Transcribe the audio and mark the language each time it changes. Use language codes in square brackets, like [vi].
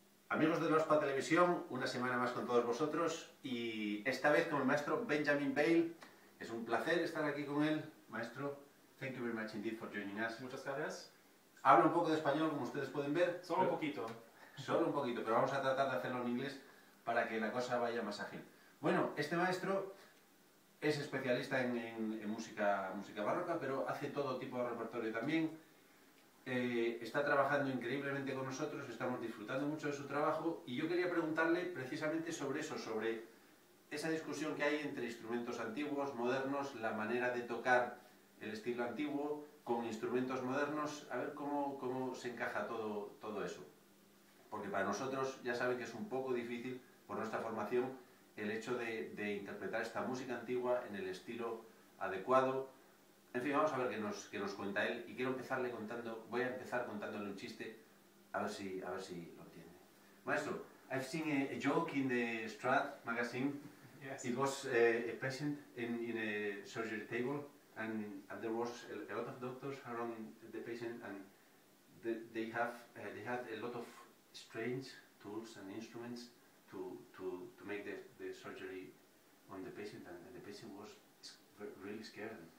[es] Amigos de la Ospa Televisión, una semana más con todos vosotros y esta vez con el maestro Benjamin Bayl. Es un placer estar aquí con él. [en] Maestro, thank you very much indeed for joining us. [es] Muchas gracias. Hablo un poco de español, como ustedes pueden ver. Solo un poquito, pero vamos a tratar de hacerlo en inglés para que la cosa vaya más ágil. Bueno, este maestro es especialista en música barroca, pero hace todo tipo de repertorio también. Está trabajando increíblemente con nosotros, estamos disfrutando mucho de su trabajo y yo quería preguntarle precisamente sobre eso, sobre esa discusión que hay entre instrumentos antiguos, modernos, la manera de tocar el estilo antiguo con instrumentos modernos, a ver cómo se encaja todo eso. Porque para nosotros ya saben que es un poco difícil, por nuestra formación, el hecho de interpretar esta música antigua en el estilo adecuado. En fin, vamos a ver qué nos cuenta él y quiero empezarle contando, voy a empezar contándole un chiste, a ver si lo entiende. [en] Maestro, I've seen a joke in the Strat magazine. Yes. It was a patient in a surgery table and there was a lot of doctors around the patient and they had a lot of strange tools and instruments to make the surgery on the patient and the patient was really scared.